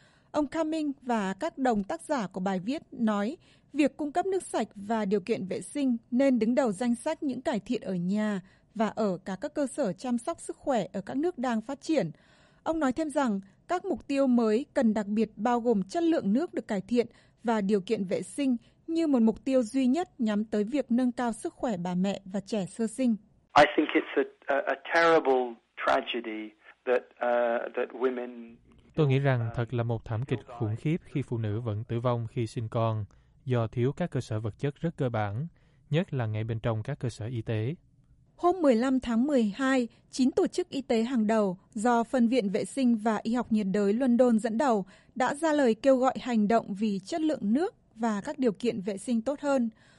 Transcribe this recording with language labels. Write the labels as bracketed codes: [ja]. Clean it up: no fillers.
[vi] Ông Cumming và các đồng tác giả của bài viết nói việc cung cấp nước sạch và điều kiện vệ sinh nên đứng đầu danh sách những cải thiện ở nhà và ở cả các cơ sở chăm sóc sức khỏe ở các nước đang phát triển. Ông nói thêm rằng các mục tiêu mới cần đặc biệt bao gồm chất lượng nước được cải thiện và điều kiện vệ sinh như một mục tiêu duy nhất nhắm tới việc nâng cao sức khỏe bà mẹ và trẻ sơ sinh. [en] I think it's a terrible tragedy that women... [vi] Tôi nghĩ rằng thật là một thảm kịch khủng khiếp khi phụ nữ vẫn tử vong khi sinh con do thiếu các cơ sở vật chất rất cơ bản, nhất là ngay bên trong các cơ sở y tế. Hôm 15 tháng 12, 9 tổ chức y tế hàng đầu do Phân viện Vệ sinh và Y học nhiệt đới London dẫn đầu đã ra lời kêu gọi hành động vì chất lượng nước và các điều kiện vệ sinh tốt hơn.